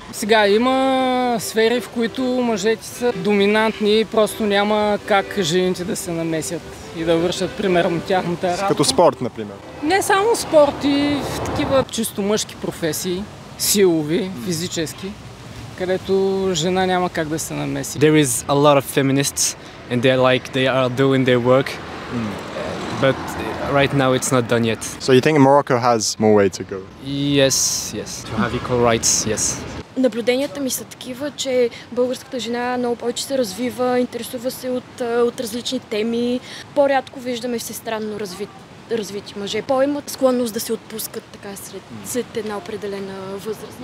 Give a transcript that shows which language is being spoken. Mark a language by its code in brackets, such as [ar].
[bg] Сега има сфери, в които мъжете са доминантни и просто няма как жените да се намесят и да вършат примерно тяхната работа. Като спорт, например? Не само спорт, и в такива чисто мъжки професии, силови, физически, където жена няма как да се намеси. [en] There is a lot of feminists and they are like they are doing their work. But right now it's not done yet. So you think Morocco has more way to go? Yes, yes. To have equal rights, yes. [bg] Наблюденията ми са такива, че българската жена много повече се развива, интересува се от различни теми. По-рядко виждаме всестранно развити мъже. По-имат склонност да се отпускат така след една определена възраст.